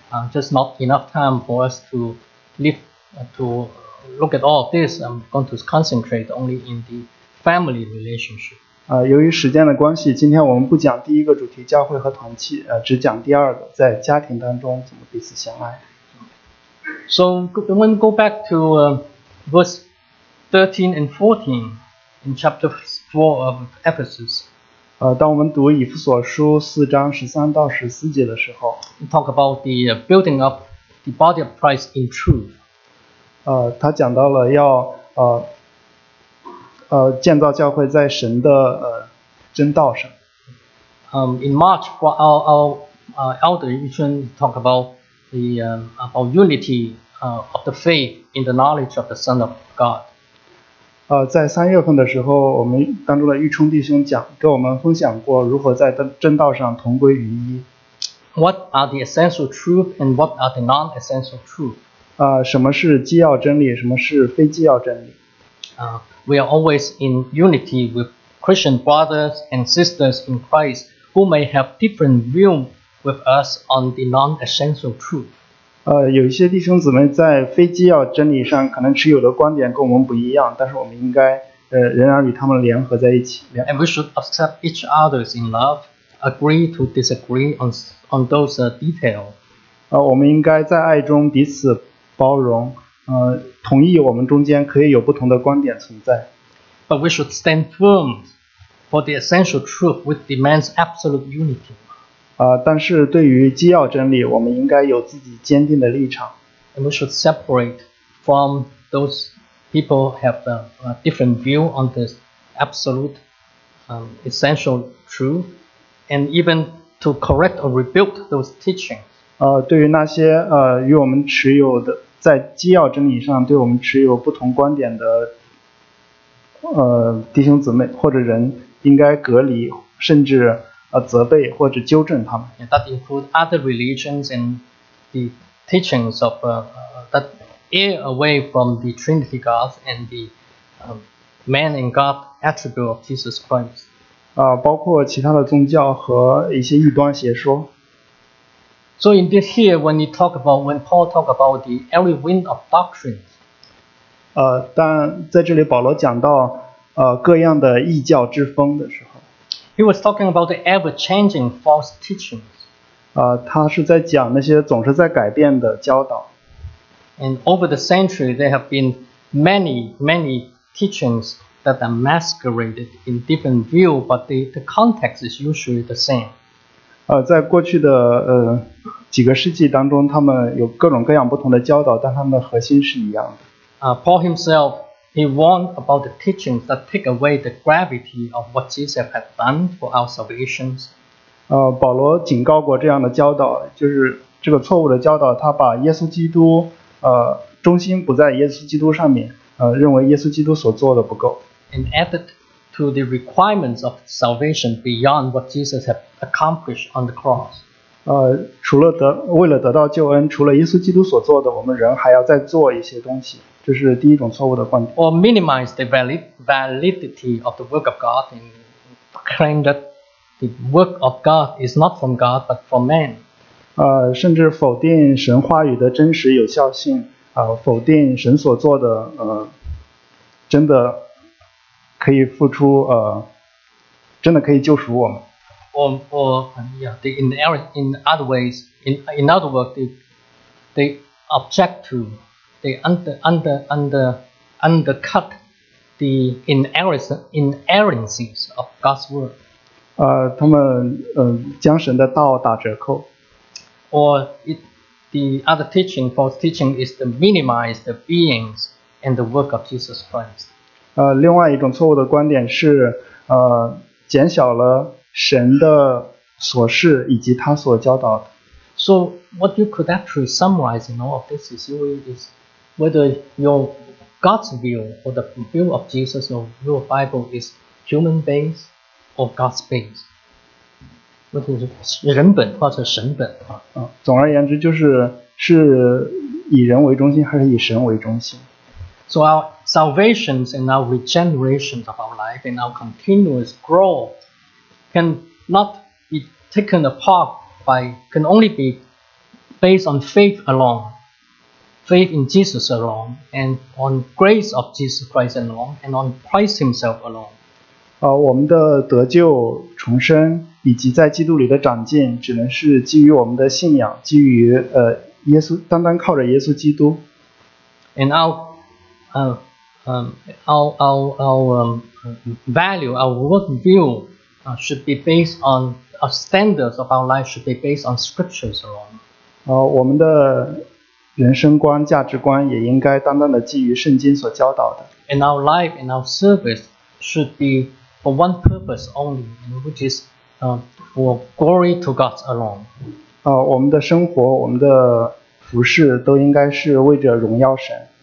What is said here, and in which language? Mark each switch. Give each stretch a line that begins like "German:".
English: Just not enough time for us to to look at all of this. I'm going to concentrate only in the family relationship.
Chinese: 由于时间的关系，今天我们不讲第一个主题，教会和团契，只讲第二个，在家庭当中怎么彼此相爱。
English: So when we go back to verse 13 and 14 in chapter 4 of Ephesus.
Chinese: 当我们读以弗所书四章十三到十四节的时候，
English: talk about the building up the body of Christ in truth.
Chinese: 他讲到了要建造教会在神的真道上。
English: In March, our elder Yuchun talk about about unity of the faith in the knowledge of the Son of God.
Chinese: 在三月份的时候，我们当中的玉冲弟兄讲给我们分享过如何在正道上同归于一。
English: What are the essential truth and what are the non-essential truth?
Chinese: 什么是基要真理，什么是非基要真理。
English: we are always in unity with Christian brothers and sisters in Christ who may have different view with us on the non-essential truth.
Chinese: 有一些弟兄姊妹在非基要真理上可能持有的观点跟我们不一样，但是我们应该仍然与他们联合在一起。
English: And we should accept each other in love, agree to disagree on those detail.
Chinese: 我们应该在爱中彼此包容，同意我们中间可以有不同的观点存在。
English: But we should stand firm, for the essential truth which demands absolute unity.
Chinese: 但是对于基要真理，我们应该有自己坚定的立场。
English: And we should separate from those people have a different view on the absolute essential truth, and even to correct or rebuke those teachings.
Chinese: 对于那些与我们持有的在基要真理上对我们持有不同观点的弟兄姊妹或者人，应该隔离，甚至责备或者纠正他们。
English: And that includes other religions and the teachings of that err away from the Trinity God and the man and God attribute of Jesus Christ.
Chinese: 包括其他的宗教和一些异端邪说。
English: So in this here, when Paul talk about the every wind of doctrine,
Chinese: 但在这里保罗讲到各样的异教之风的时候，
English: he was talking about the ever-changing false teachings.
Chinese: 他是在讲那些总是在改变的教导。
English: And over the century, there have been many, many teachings that are masqueraded in different view, but the context is usually the same.
Chinese: 在过去的几个世纪当中，他们有各种各样不同的教导，但他们的核心是一样的。
English: Paul himself, he warned about the teachings that take away the gravity of what Jesus had done for our salvations.
Chinese: 保罗警告过这样的教导，就是这个错误的教导，他把耶稣基督中心不在耶稣基督上面，认为耶稣基督所做的不够。
English: And added to the requirements of salvation beyond what Jesus had accomplished on the cross.
Chinese: 除了为了得到救恩，除了耶稣基督所做的，我们人还要再做一些东西，这是第一种错误的观点。
English: Or minimize the validity of the work of God and claim that the work of God is not from God but from man.
Chinese: 甚至否定神话语的真实有效性，否定神所做的，真的可以付出，真的可以救赎我们。
English: In other words, they object to, they undercut the inerrancies of God's word.
Chinese: 他们将神的道打折扣。
English: Or the other teaching, false teaching, is to minimize the beings and the work of Jesus Christ.
Chinese: 另外一种错误的观点是，减小了神的所事以及他所教导的。
English: So what you could actually summarize in all of this is whether your God's view or the view of Jesus or your Bible is human based or God's based.
Chinese: 问题是人本或者神本总而言之就是是以人为中心还是以神为中心。
English: So our salvations and our regenerations of our life and our continuous growth can not be taken apart by, can only be based on faith alone, faith in Jesus alone, and on grace of Jesus Christ alone, and on Christ himself alone.
Chinese: 我们的得救重生以及在基督里的长进只能是基于我们的信仰，基于耶稣，单单靠着耶稣基督。
English: And our value, our worldview, should be based on, our standards of our life should be based on scriptures alone.
Chinese: 我们的人生观、价值观也应该单单的基于圣经所教导的。
English: And our life and our service should be for one purpose only, which is for glory to God alone.
Chinese: 我们的生活，我们的服事都应该是为着荣耀神。